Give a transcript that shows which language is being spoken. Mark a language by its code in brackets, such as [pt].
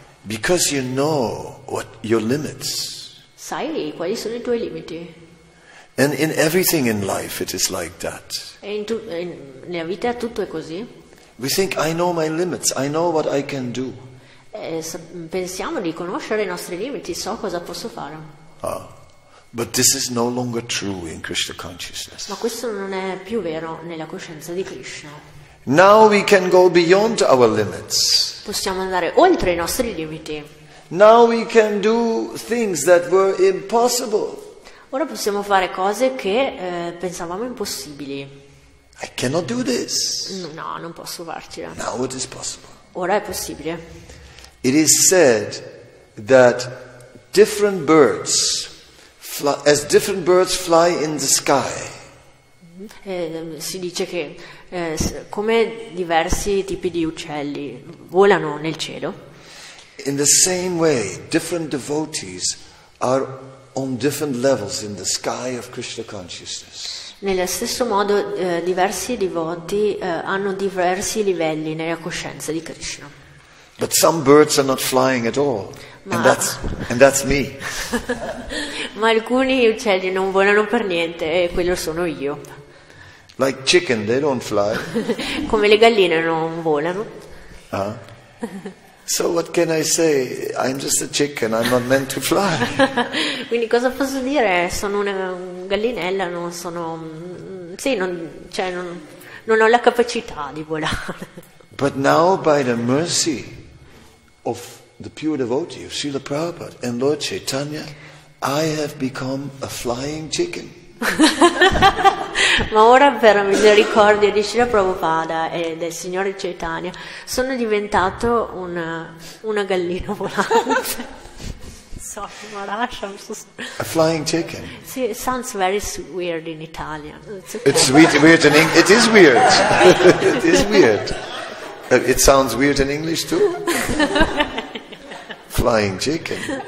[en] Because you know what your limits. [it] Sai quali sono i tuoi limiti. [en] And in everything in life it is like that. [it] E nella vita tutto è così. [en] We think I know my limits, I know what I can do. [it] Pensiamo di conoscere i nostri limiti, so cosa posso fare. Ah. [en] But this is no longer true in Krishna consciousness. [it] Ma questo non è più vero nella coscienza di Krishna. [en] Now we can go beyond our limits. [it] Possiamo andare oltre i nostri limiti. [en] Now we can do things that were impossible. [it] Ora possiamo fare cose che pensavamo impossibili. [en] I cannot do this. [it] No, non posso farcela. [en] Now it is possible. [it] Ora è possibile. [en] It is said that different birds fly, as different birds fly in the sky. [it] Si dice che come diversi tipi di uccelli volano nel cielo. [en] In the same way, different devotees are on different levels in the sky of Krishna consciousness. [it] Nello stesso modo, diversi devoti hanno diversi livelli nella coscienza di Krishna. [en] But some birds are not flying at all, and that's me. [it] Ma alcuni uccelli non volano per niente, e quello sono io. [en] Like chicken, they don't fly. [it] Come le galline non volano. [en] Uh-huh. So what can I say? I'm just a chicken, I'm not meant to fly. [it] Quindi cosa posso dire? Sono una gallinella, non sono sì, non cioè non ho la capacità di volare. [en] But now by the mercy of the pure devotee of Srila Prabhupada and Lord Chaitanya, I have become a flying chicken. [it] Ma ora per misericordia di Srila Prabhupada e del Signore Chaitanya sono diventato una gallina volante. [en] Sorry, Maharaj, I'm so sorry. A flying chicken. Sì, it sounds very weird in Italian. It's sweet, weird in English. It is weird. It is weird. It sounds weird in English too. Flying chicken.